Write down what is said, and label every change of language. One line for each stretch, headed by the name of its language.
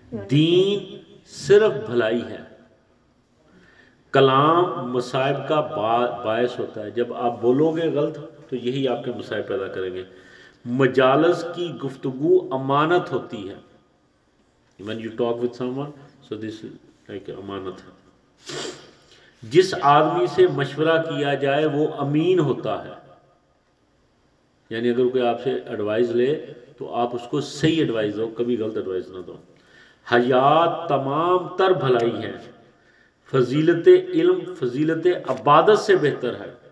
Urdu: دین صرف بھلائی ہے, کلام مصائب کا باعث ہوتا ہے, جب آپ بولو گے غلط تو یہی آپ کے مسائل پیدا کریں گے. مجالس کی گفتگو امانت ہوتی ہے.
English: When you talk with someone, so this is like
Urdu: امانت ہے. جس آدمی سے مشورہ کیا جائے وہ امین ہوتا ہے. یعنی اگر کوئی آپ سے ایڈوائز لے تو آپ اس کو صحیح ایڈوائز دو, کبھی غلط ایڈوائز نہ دو. حیات تمام تر بھلائی ہے. فضیلت علم فضیلت عبادت سے بہتر ہے.